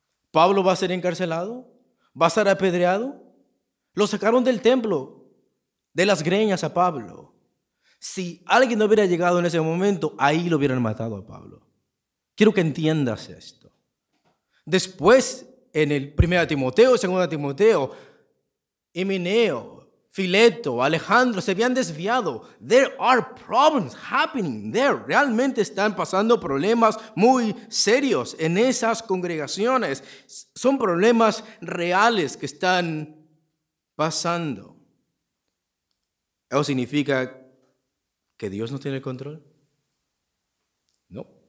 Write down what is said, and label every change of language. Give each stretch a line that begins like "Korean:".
Spanish: ¿Pablo va a ser encarcelado? ¿Va a ser apedreado? Lo sacaron del templo, de las greñas a Pablo. Si alguien no hubiera llegado en ese momento, ahí lo hubieran matado a Pablo. Quiero que entiendas esto. Después, en el 1 Timoteo, 2 Timoteo, Himeneo, Fileto, Alejandro, se habían desviado.
English: There are problems happening there.
Spanish: Realmente están pasando problemas muy serios en esas congregaciones. Son problemas reales que están pasando. ¿Eso significa que Dios no tiene el control? No.